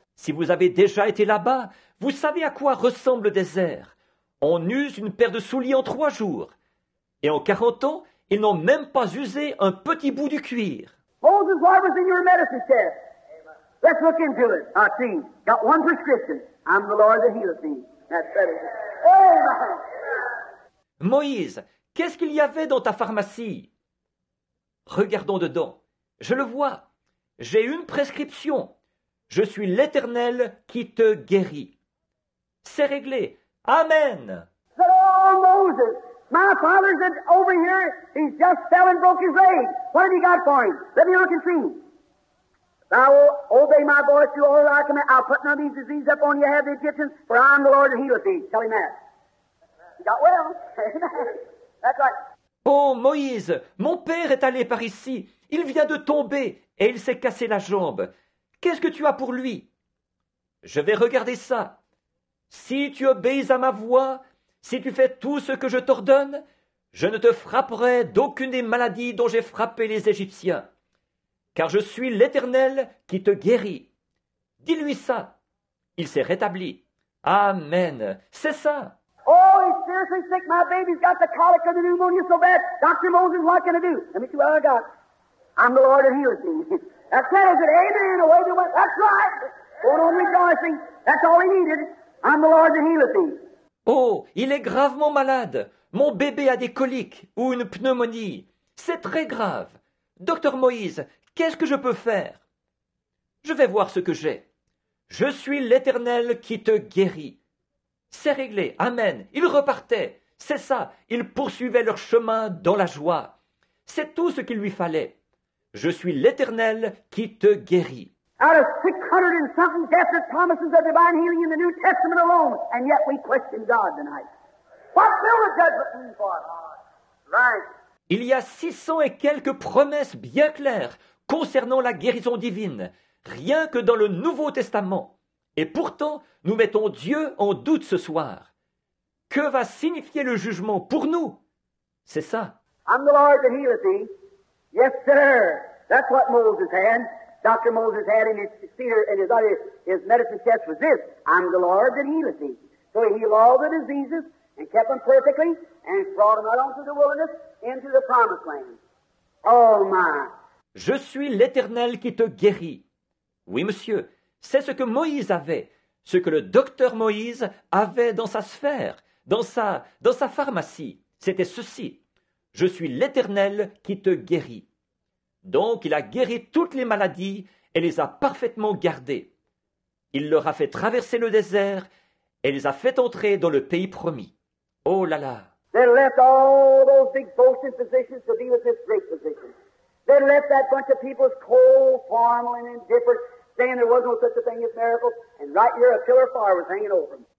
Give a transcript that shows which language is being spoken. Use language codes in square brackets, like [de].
[fr] Si vous avez déjà été là-bas, vous savez à quoi ressemble le désert. On use une paire de souliers en 3 jours. Et en 40 ans, ils n'ont même pas usé un petit bout du cuir. [en] Moses, what was in your medicine chest? Let's look into it. I see. Got one prescription. I'm the Lord that healeth thee. That's better. Amen. [fr] Moïse, qu'est-ce qu'il y avait dans ta pharmacie? Regardons dedans. Je le vois. J'ai une prescription. Je suis l'Éternel qui te guérit. C'est réglé. Amen. [en] Oh, Moses! My father's over here. He just fell and broke his leg. What have you got for him? Let me look and see. Thou obey my voice, you all that I command. I'll put none of these diseases up on your head, the Egyptians, for I am the Lord that healeth thee. Tell him that. He got well. That's right. [fr] Oh, Moïse, mon père est allé par ici. Il vient de tomber et il s'est cassé la jambe. Qu'est-ce que tu as pour lui? Je vais regarder ça. Si tu obéis à ma voix, si tu fais tout ce que je t'ordonne, je ne te frapperai d'aucune des maladies dont j'ai frappé les Égyptiens. Car je suis l'Éternel qui te guérit. Dis-lui ça. Il s'est rétabli. Amen. C'est ça. [en] Oh, he's seriously sick. My baby's got the colic and the pneumonia so bad. Dr. Moses, what can I do? Let me see what I got. I'm the Lord that heals me. That's it. Amen. Away they went. That's right. Going on rejoicing. That's all he needed. I'm the Lord that healeth thee. [fr] Oh, il est gravement malade. Mon bébé a des coliques ou une pneumonie. C'est très grave. Docteur Moïse, qu'est-ce que je peux faire? Je vais voir ce que j'ai. Je suis l'Éternel qui te guérit. C'est réglé. Amen. Ils repartaient. C'est ça. Ils poursuivaient leur chemin dans la joie. C'est tout ce qu'il lui fallait. Je suis l'Éternel qui te guérit. [en] Out of 600 and something definite promises of divine healing in the New Testament alone, and yet we question God tonight. What will the judgment mean for us? Right. [fr] Il y a 600 et quelques promesses bien claires concernant la guérison divine, rien que dans le Nouveau Testament. Et pourtant, nous mettons Dieu en doute ce soir. Que va signifier le jugement pour nous? C'est ça. [en] I'm the Lord that healeth thee. Yes, sir. That's what Moses had. Dr. Moses had in his spear and his medicine chest was this. I'm the Lord that healeth thee. So he healed all the diseases and kept them perfectly and brought them out onto the wilderness into the promised land. Oh, my. [fr] Je suis l'Éternel qui te guérit. Oui, monsieur, c'est ce que Moïse avait, ce que le docteur Moïse avait dans sa sphère, dans sa pharmacie. C'était ceci. Je suis l'Éternel qui te guérit. Donc, il a guéri toutes les maladies et les a parfaitement gardées. Il leur a fait traverser le désert et les a fait entrer dans le pays promis. Oh là là! [en] They left all those big boasting positions to be with this great position. They left that bunch of people's cold, formal, and indifferent, saying there was no such a thing as miracles, and right here a pillar of fire was hanging over them.